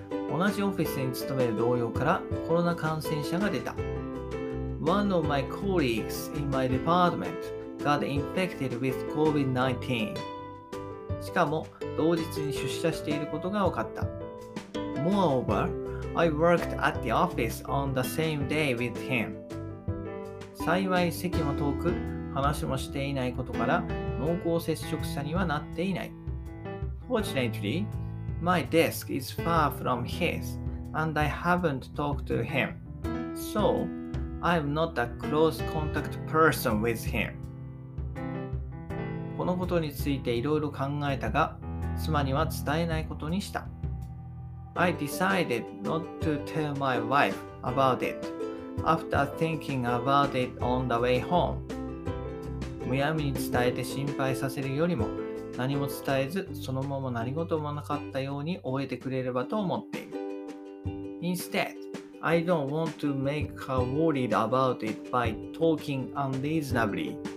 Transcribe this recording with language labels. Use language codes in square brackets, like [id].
[ja] 同じオフィスに勤める同僚からコロナ感染者が出た。 [en] One of my colleagues in my department got infected with COVID-19. [ja] しかも、同日に出社していることが分かった。 [en] Moreover, I worked at the office on the same day with him. [ja] 幸い席も遠く、話もしていないことから、濃厚接触者にはなっていない。 [en] Fortunately, my desk is far from his, and I haven't talked to him. So, I'm not a close contact person with him. [ja] このことについていろいろ考えたが、妻には伝えないことにした。 [en] I decided not to tell my wife about it after thinking about it on the way home. [ja] むやみに伝えて心配させるよりも、何も伝えずそのまま何事もなかったように終えてくれればと思っている。 [en] Instead, I don't want to make her worried about it by talking unreasonably.